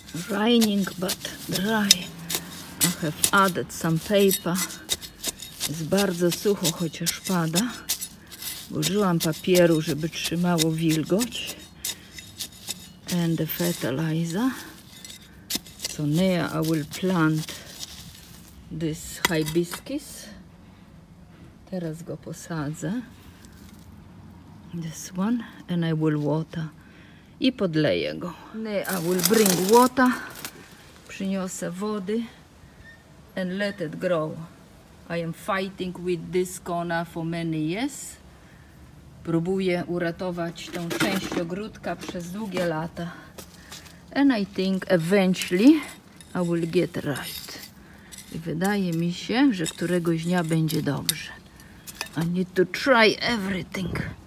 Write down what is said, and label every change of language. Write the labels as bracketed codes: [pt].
[en] Raining but dry. I have added some paper. [pl] Jest bardzo sucho, chociaż pada. Użyłam papieru, żeby trzymało wilgoć. [en] And the fertilizer. So now I will plant this hibiscus. [pl] Teraz go posadzę. [en] This one. And I will water. [pl] I podleję go. [en] Now I will bring water. [pl] Przyniosę wody. [en] And let it grow. I am fighting with this corner for many years. [pl] Próbuję uratować tą część ogródka przez długie lata. [en] And I think eventually I will get right. [pl] I wydaje mi się, że któregoś dnia będzie dobrze. [en] I need to try everything.